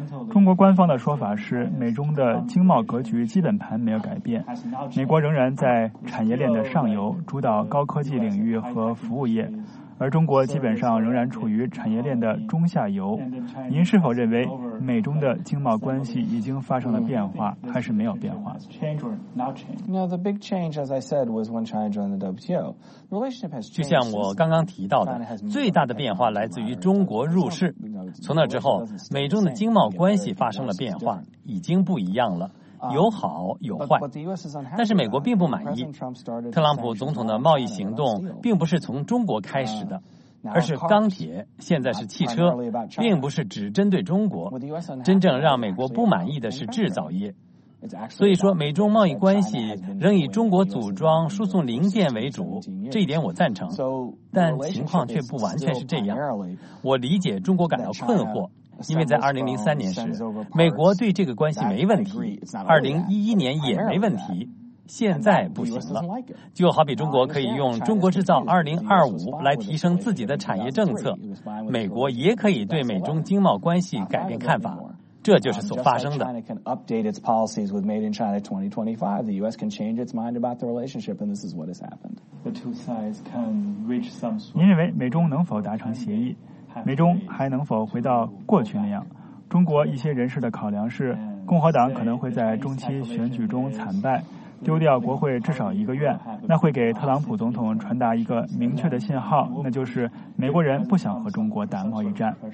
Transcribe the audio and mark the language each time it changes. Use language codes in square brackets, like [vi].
[zh] 中国官方的说法是，美中的经贸格局基本盘没有改变，美国仍然在产业链的上游主导高科技领域和服务业，而中国基本上仍然处于产业链的中下游。您是否认为美中的经贸关系已经发生了变化，还是没有变化？ [en] No, the big change, as I said, was when China joined the WTO. The relationship has changed. [zh] 就像我刚刚提到的，最大的变化来自于中国入世。从那之后，美中的经贸关系发生了变化，已经不一样了。有好有坏，但是美国并不满意。特朗普总统的贸易行动并不是从中国开始的，而是钢铁，现在是汽车，并不是只针对中国。真正让美国不满意的是制造业。所以说，美中贸易关系仍以中国组装输送零件为主，这一点我赞成，但情况却不完全是这样。我理解中国感到困惑，因为在2003年时，美国对这个关系没问题，2011年也没问题，现在不行了。就好比中国可以用中国制造2025来提升自己的产业政策，美国也可以对美中经贸关系改变看法，这就是所发生的。 [en] China can update its policies with Made in China 2025. The U.S. can change its mind about the relationship, and this is what has happened. The two sides can reach some sort. [zh] 您认为美中能否达成协议？美中还能否回到过去那样？中国一些人士的考量是，共和党可能会在中期选举中惨败，丢掉国会至少一个院，那会给特朗普总统传达一个明确的信号，那就是美国人不想和中国打贸易战。